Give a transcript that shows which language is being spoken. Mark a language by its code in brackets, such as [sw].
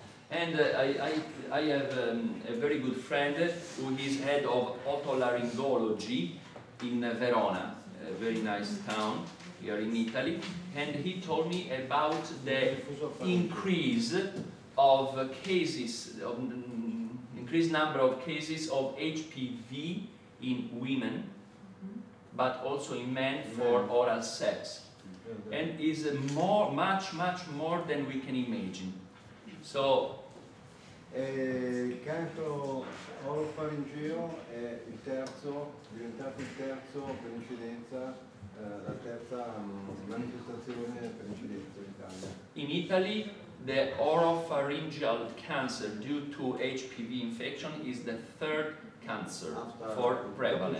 [en] And I have a very good friend who is head of otolaryngology in Verona, a very nice town here in Italy, and he told me about the increase of cases, of increased number of cases of HPV in women, but also in men for oral sex. And is more, much more than we can imagine. So, [it] canto orofaringeo è il terzo, diventato il terzo per incidenza, la terza manifestazione per incidenza in Italia. [en] In Italy, the oropharyngeal cancer due to HPV infection is the third cancer for prevalence.